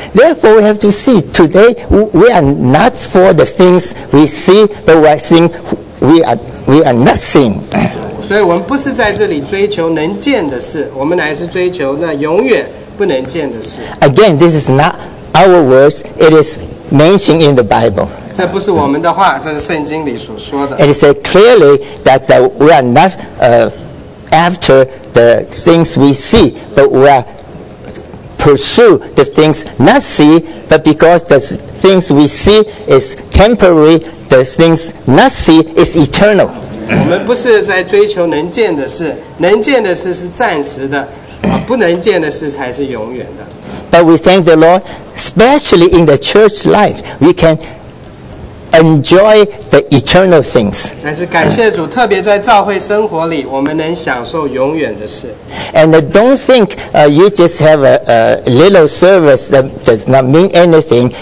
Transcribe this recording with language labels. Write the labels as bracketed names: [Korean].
[English] Therefore, we have to see today. We are not for the things we see, but we think we are not seeing. [Chinese] 所以我们不是在这里追求能见的事，我们乃是追求那永远不能见的事。 [English] Again, this is not our words; it is mentioned in the Bible. [Chinese] 这不是我们的话，这是圣经里所说的。 [English] It is said clearly that we are not after the things we see, but we are pursue the things not see, but because the things we see is temporary, the things not see is eternal. [Chinese] 我们不是在追求能见的事，能见的事是暂时的，不能见的事才是永远的。 [English] But we thank the Lord, especially in the church life, we can enjoy the eternal things. [Chinese] 但是感谢主，特别在教会生活里，我们能享受永远的事。 [English] And don't think you just have a little service that does not mean anything.